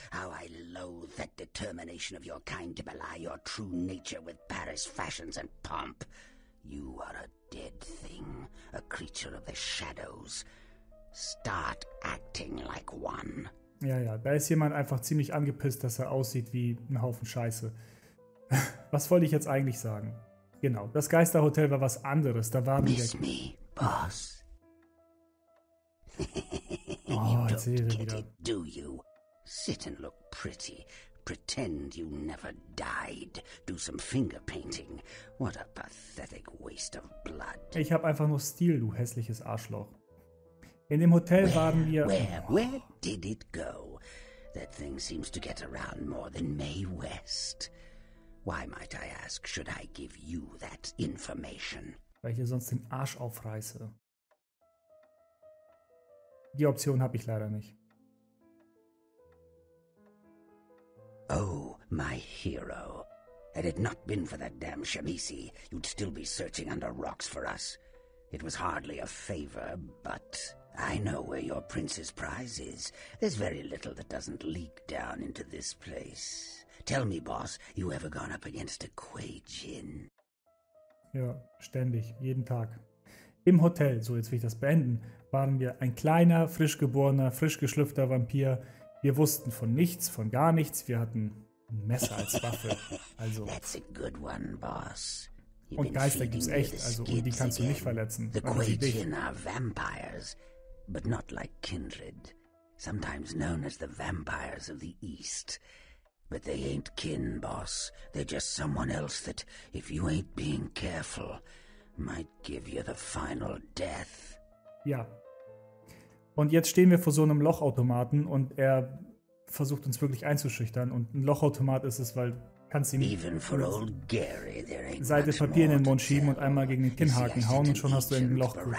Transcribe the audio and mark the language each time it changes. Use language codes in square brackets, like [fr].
[en] How I loathe that determination of your kind to belie your true nature with Paris fashions and pomp. You are a dead thing, a creature of the shadows. Start acting like one. [de] Ja, ja, da ist jemand einfach ziemlich angepisst, dass er aussieht wie ein Haufen Scheiße. Was wollte ich jetzt eigentlich sagen? genau. Das Geisterhotel war was anderes. Da waren wir. [en] Miss me, Boss. Oh, you don't get wieder. It, do you? Sit and look pretty. Pretend you never died. Do some finger painting. What a pathetic waste of blood. [de] Ich hab einfach nur Stil, du hässliches Arschloch. In dem Hotel waren wir. [en] Where did it go? That thing seems to get around more than Mae West. Why might I ask, should I give you that information? [de] Weil ich dir sonst den Arsch aufreiße. Die Option habe ich leider nicht. [en] Oh, my hero. Had it not been for that damn Shamisi, you'd still be searching under rocks for us. It was hardly a favor, but I know where your prince's prize is. There's very little that doesn't leak down into this place. Tell me, boss, you ever gone up against a Quajin? [de] Ja, ständig, jeden Tag. Im Hotel, so jetzt will ich das beenden, waren wir ein kleiner, frisch geborener, frisch geschlüpfter Vampir. Wir wussten von nichts, von gar nichts. Wir hatten ein Messer als Waffe. Also. [en] That's a good one, boss. [de] Und Geister gibt's echt, also und die kannst du nicht verletzen. [en] The Quajin are vampires, but not like kindred. Sometimes known as the vampires of the East. But they ain't kin, boss. They're just someone else that, if you ain't being careful, might give you the final death. [de] Ja. Und jetzt stehen wir vor so einem Lochautomaten und er versucht uns wirklich einzuschüchtern. Und ein Lochautomat ist es, weil kannst ihm [en] even for old Gary, there ain't [de] Seite Papier in den Mund schieben und einmal gegen den Kinnhaken hauen und schon hast du ein Loch